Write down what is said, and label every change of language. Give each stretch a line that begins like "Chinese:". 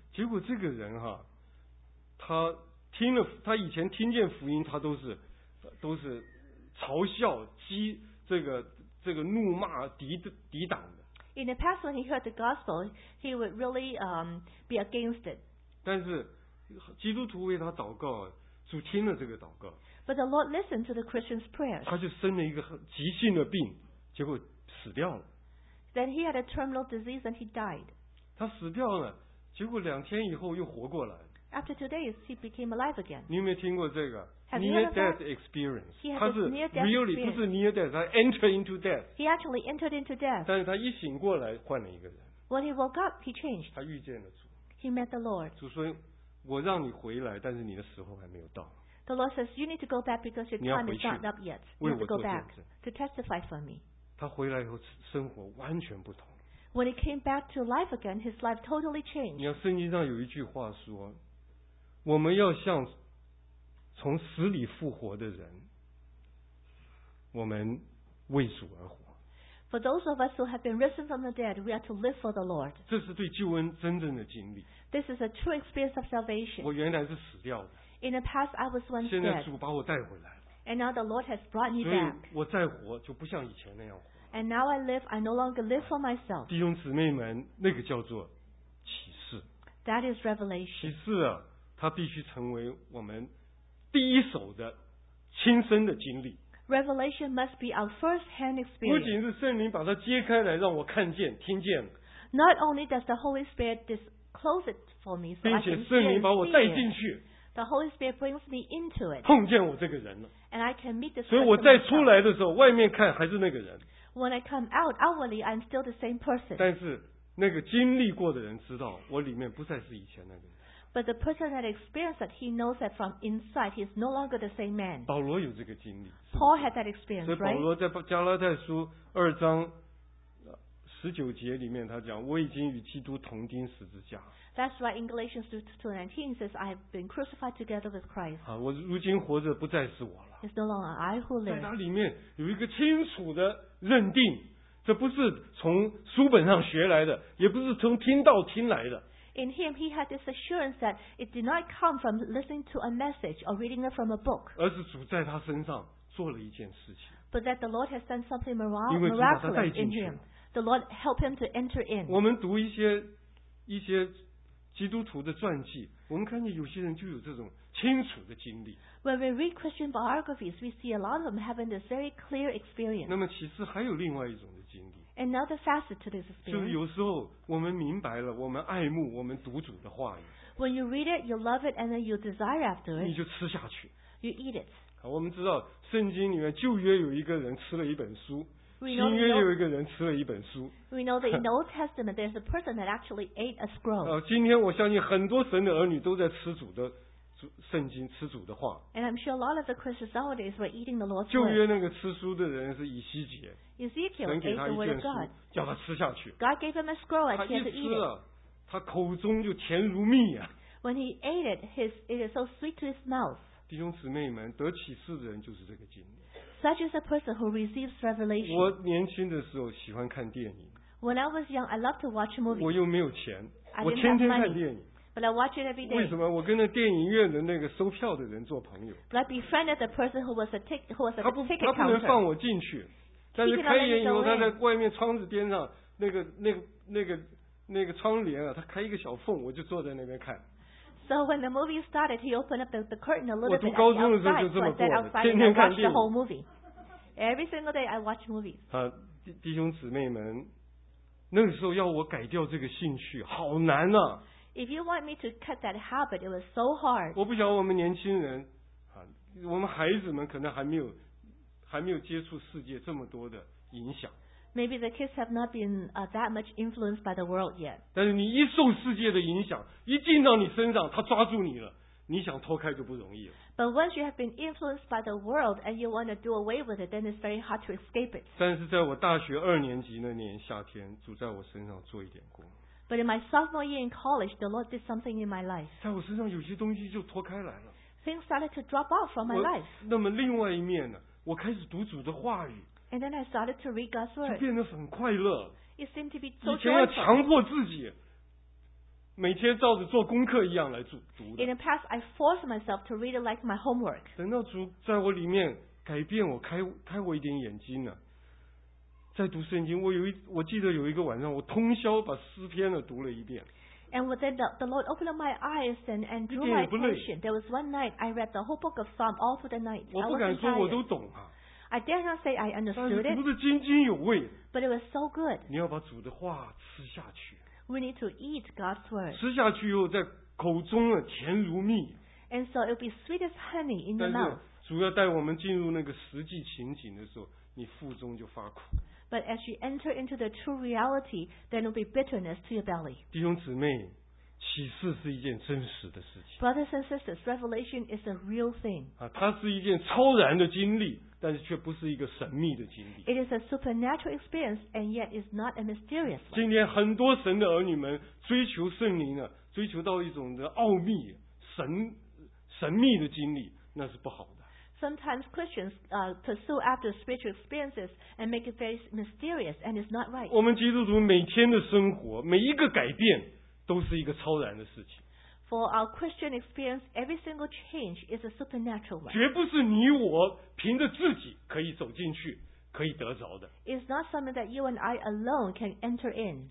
Chinese: 结果这个人哈，他听了，他以前听见福音，他都是嘲笑、讥这个怒骂、抵挡的。
English: In the past, when he heard the gospel, he would really be against it.
Chinese: 但是基督徒为他祷告，主听了这个祷告。
English: But the Lord listened to the Christian's prayers.
Chinese: 他就生了一个急性的病，结果死掉了。
English: Then he had a terminal disease and he died.
Chinese: 他死掉了，结果两天以后又活过来。
English: After 2 days, he became alive again.
Chinese: 你有没有听过这个
English: near death experience?
Chinese: 他是
English: near death really
Chinese: 不是
English: near death,
Chinese: 他
English: enter into death. He actually entered into death.
Chinese: 但是他一醒过来，换了一个人。
English: When he woke up, he changed.
Chinese: 他遇见了主。
English: He met the Lord.
Chinese: 主说，我让你回来，但是你的时候还没有到。
English: The Lord says, "You need to go back because your time is not up yet. You have to go back to testify for me."
Chinese: 他回来以后，生活完全不同。
English: When he came back to life again, his life totally changed.
Chinese: 你看圣经上有一句话说。我们要像从死里复活的人，我们为主而活。
English: For those of us who have been risen from the dead, we are to live for the Lord.
Chinese: 这是对救恩真正的经历。
English: This is a true experience of salvation.
Chinese: 我原来是死掉的。
English: In the past, I was once dead.
Chinese: 现在主把我带回来了。
English: And now the Lord has brought me back.
Chinese: 所以我再活就不像以前那样活。
English: And now I live, I no longer live for myself.
Chinese: 弟兄姊妹们，那个叫做启示。
English: That is revelation.
Chinese: 启示啊。它必须成为我们第一手的亲身的经历。
English: Revelation must be our first-hand experience.
Chinese: 不仅是圣灵把它揭开来让我看见、听见。
English: Not only does the Holy Spirit disclose it for me, so I can see it.
Chinese: 并且圣灵把我带进去。
English: The Holy Spirit brings me into it.
Chinese: 碰见我这个人了。
English: And I can meet the.
Chinese: 所以我再出来的时候，外面看还是那个人。
English: When I come out, outwardly I'm still the same person.
Chinese: 但是那个经历过的人知道，我里面不再是以前那个人。
English: But the person that experienced that, he knows that from inside, he is no longer the same man.
Chinese: 保罗有这个经历。
English: Paul had that experience, right?
Chinese: 所以保罗在加拉太书二章十九节里面，他讲：“我已经与基督同钉十字架。”
English: That's right. In Galatians 2:19 says, "I have been crucified together with Christ."
Chinese: 啊，我如今活着不再是我了。
English: It's no longer I who live.
Chinese: 在他里面有一个清楚的认定，这不是从书本上学来的，也不是从听道听来的。
English: In him, he had this assurance that it did not come from listening to a message or reading it from a book.
Chinese: 而是主在他身上做了一件事情。
English: But that the Lord has done something miraculous in him. The Lord helped him to enter in.
Chinese: 我们读一些基督徒的传记，我们看见有些人就有这种清楚的经历。
English: When we read Christian biographies, we see a lot of them having this very clear experience.
Chinese: 那么其实还有另外一种的经历。
English: Another facet to this experience.
Chinese: 就是有时候我们明白了，我们爱慕，我们读主的话语。
English: When you read it, you love it, and then you desire after it.
Chinese: 你就吃下去。
English: You eat it.
Chinese: 我们知道圣经里面旧约有一个人吃了一本书，新约有一个人吃了一本书。
English: We know that in the Old Testament, there's a person that actually ate a scroll.
Chinese: 今天我相信很多神的儿女都在吃主的。圣经吃主的话。
English: And I'm sure a lot of the Christians nowadays were eating the Lord's word.
Chinese: 旧约那个吃书的人是以西结。
English: Ezekiel ate the word of God.
Chinese: 叫他吃下去。
English: God gave him a scroll and he had to eat it.
Chinese: 他一吃了，他口中就甜如蜜啊。
English: When he ate it, it is so sweet to his mouth.
Chinese: 弟兄姊妹们，得启示的人就是这个经历。
English: Such is a person who receives revelation.
Chinese: 我年轻的时候喜欢看电影。
English: When I was young, I loved to watch movies.
Chinese: 我又没有钱，我天天看电影。
English: But I watch it every day.
Chinese: 为什么我跟那电影院的那个收票的人做朋友？
English: But I befriended the person who was a ticket counter.
Chinese: 他不能放我进去，但是开演以后，他在外面窗子边上那个窗帘啊，他开一个小缝，我就坐在那边看。
English: So when the movie started, he opened up the curtain a little bit.
Chinese: 我读高中的时候就这么过的，天天看电影。
English: The whole movie. Every single day I watch movies.
Chinese: 啊，弟兄姊妹们，那个时候要我改掉这个兴趣，好难啊。
English: If you want me to cut that habit, it was so hard.
Chinese: 我不晓得我们年轻人，啊，我们孩子们可能还没有接触世界这么多的影响。
English: Maybe the kids have not been that much influenced by the world yet.
Chinese: 但是你一受世界的影响，一进到你身上，他抓住你了，你想脱开就不容易了。
English: But once you have been influenced by the world and you want to do away with it, then it's very hard to escape it.
Chinese: 但是在我大学二年级那年夏天，主在我身上做一点工。
English: But in my sophomore year in college, the Lord did something in my life.
Chinese: 在我身上有些东西就脱开来了。
English: Things started to drop out from my life.
Chinese: 那么另外一面呢？我开始读主的话语。
English: And then I started to read God's word.
Chinese: 就变得很快乐。
English: It seemed to be so joyful.
Chinese: 以前要强迫自己，每天照着做功课一样来读的。
English: In the past, I forced myself to read it like my homework.
Chinese: 等到主在我里面改变我，开我一点眼睛呢。在读圣经，我记得有一个晚上，我通宵把诗篇呢读了一遍。
English: And then the Lord opened up my eyes and drew my attention. There was one night I read the whole book of Psalm all through the night.
Chinese: 我不敢说我都懂啊。
English: I dare not say I understood it.
Chinese: 读得津津有味。
English: But it was so good.
Chinese: 你要把主的话吃下去。
English: We need to eat God's word.
Chinese: 吃下去以后，再口中啊甜如蜜。
English: And so it'll be sweet as honey in the mouth.
Chinese: 主要带我们进入那个实际情景的时候，你腹中就发苦。
English: But as you enter into the true reality, then it'll be bitterness to your belly.
Chinese: 弟兄姊妹，启示是一件真实的事情。
English: Brothers and sisters, revelation is a real thing.
Chinese: 啊，它是一件超然的经历。但是却不是一个神秘的经历。
English: It is a supernatural experience, and yet is not a mysterious one.
Chinese: 今天很多神的儿女们追求圣灵呢，追求到一种的奥秘、神秘的经历，那是不好的。
English: Sometimes Christians pursue after spiritual experiences and make it very mysterious, and it's not right.
Chinese: 我们基督徒每天的生活，每一个改变，都是一个超然的事情。
English: For our Christian experience, every single change is a supernatural one.
Chinese: 绝不是你我凭着自己可以走进去，可以得着的。
English: It's not something that you and I alone can enter in.